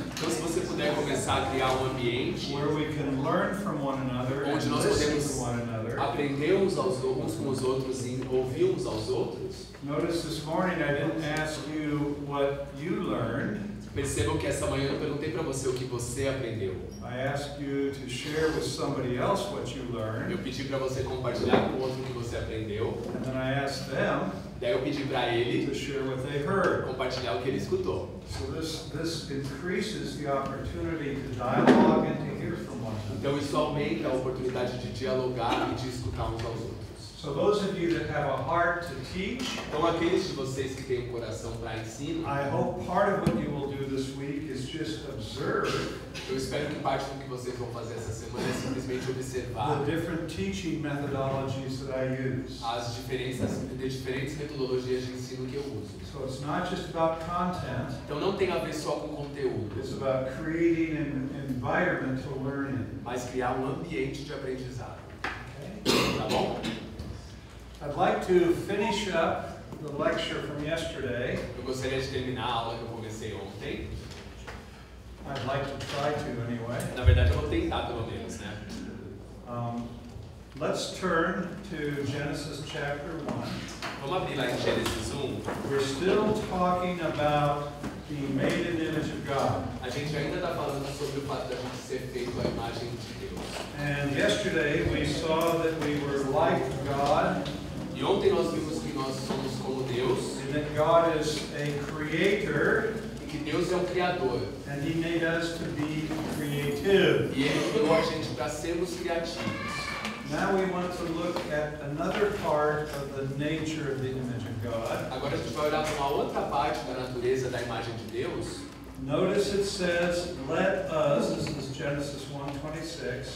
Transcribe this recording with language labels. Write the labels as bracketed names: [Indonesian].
[Portuguese] então, se você puder começar a criar um ambiente [English] where we can learn from one another, [Portuguese] onde nós podemos aprender uns aos outros, uns com os outros e ouvir uns aos outros. [English] Notice this morning I didn't ask you what you learned. [Portuguese] Percebam que essa manhã eu perguntei para você o que você aprendeu. [English] I asked you to share with somebody else what you learned. [Portuguese] Eu pedi para você compartilhar com outro o que você aprendeu. [English] And then I asked them. [Portuguese] Daí eu pedi para ele [English] to share what they heard. [Portuguese] Compartilhar o que ele escutou. [English] So this increases the opportunity to dialogue and to hear from one another. [Portuguese] Então isso aumenta a oportunidade de dialogar e de escutar uns aos outros. [English] So those of you that have a heart to teach, [Portuguese] então, aqueles de vocês que têm um coração para ensino, [English] I hope part of what you will do this week is just observe. [Portuguese] Eu espero que parte do que vocês vão fazer essa semana é simplesmente observar [English] the different teaching methodologies that I use. [Portuguese] As diferenças, de diferentes metodologias de ensino que eu uso. [English] So it's not just about content. [Portuguese] Então não tem a ver só com conteúdo. [English] It's about creating an environment to learn in. [Portuguese] Mas criar um ambiente de aprendizado. [English] Okay. [Portuguese] Tá bom? [English] I'd like to finish up the lecture from yesterday. [Portuguese] Eu gostaria de terminar a aula que eu comecei ontem. [English] I'd like to try to anyway. [Portuguese] Na verdade, eu vou tentar pelo menos, né? [English] Let's turn to Genesis chapter 1. [Portuguese] Vamos abrir lá em Gênesis 1. [English] We're still talking about the made in the image of God. [Portuguese] A gente ainda está falando sobre o fato de a gente ser feito à imagem de Deus. [English] And yesterday we saw that we were like God. [Portuguese] E ontem nós vimos que nós somos como Deus. [English] And that God is a creator. [Portuguese] E que Deus é um criador. [English] And he made us to be creative. [Portuguese] E ele criou a gente para sermos criativos. [English] Now we want to look at another part of the nature of the image of God. [Portuguese] Agora a gente vai olhar para uma outra parte da natureza da imagem de Deus. [English] Notice it says, let us, this is Genesis 1:26.